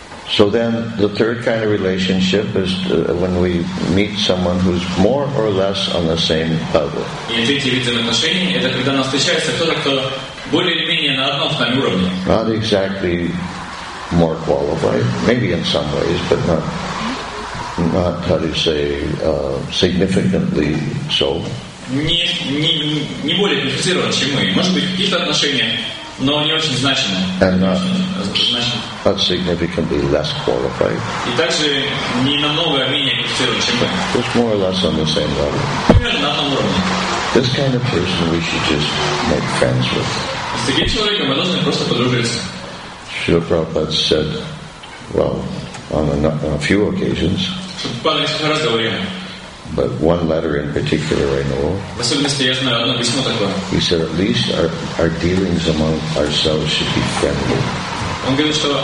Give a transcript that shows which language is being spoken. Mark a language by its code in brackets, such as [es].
[en] So then, the third kind of relationship is when we meet someone who's more or less on the same level. Not exactly more qualified, maybe in some ways, but not how do you say, significantly so. [ru] Не более квалифицирован, чем мы. Может быть, какие-то отношения, но не очень значимые. [en] And not significantly less qualified. [ru] И также не намного менее квалифицирован, чем мы. [en] Just more or less on the same level. [ru] На том уровне. [en] This kind of person we should just make friends with. [ru] С таким человеком мы должны просто подружиться. [en] Srila Prabhupada said, well, on a few occasions, but one letter in particular I know, he said, at least our dealings among ourselves should be friendly.